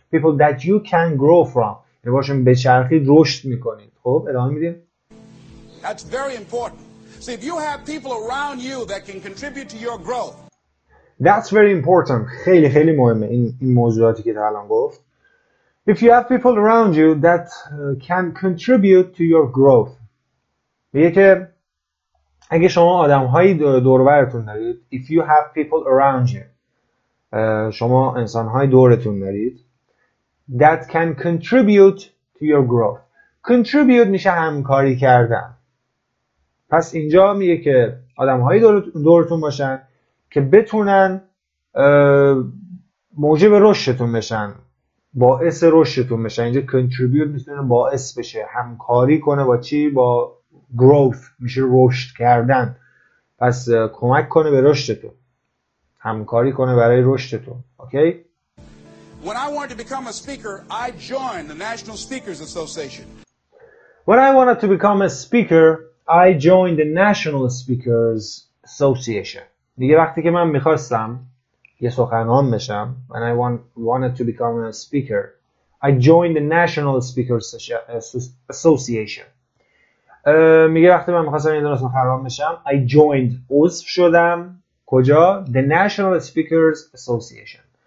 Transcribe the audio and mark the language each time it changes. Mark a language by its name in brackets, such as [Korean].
[English] People that you can grow from، [Persian] یعنی باشون بچرخید رشد میکنید. خب ادامه میدیم. [English] That's very important. So if you have people around you that can contribute to your growth. That's very important. [Persian] خیلی خیلی مهمه این موضوعاتی که تا الان گفت. [English] If you have people around you that can contribute to your growth. [Persian] میگه که اگه شما آدم‌های دور برتون دارید، [English] if you have people around you، [Persian] شما انسان‌های دورتون دارید، [English] that can contribute to your growth. [Persian] contribute میشه همکاری کردن. پس اینجا میگه که آدم‌های دورتون باشن که بتونن موجب رشدتون بشن، باعث رشدتون بشن. اینجا contribute میتونه باعث بشه، همکاری کنه با چی؟ با growth میشه رشد کردن. پس کمک کنه به رشدتون، همکاری کنه برای رشدتون. اوکی؟ [English] When I wanted to become a speaker, I joined the National Speakers Association. When I wanted to become a speaker, I joined the National Speakers Association. [Persian] میگه وقتی که من میخواستم یه سخنران بشم، [English] when I wanted to become a speaker, I joined the National Speakers Association. [Persian] میگه وقتی من میخواستم یه دونه سخنران بشم، [English] I joined، [Persian] عضو شدم کجا؟ The National Speakers Association.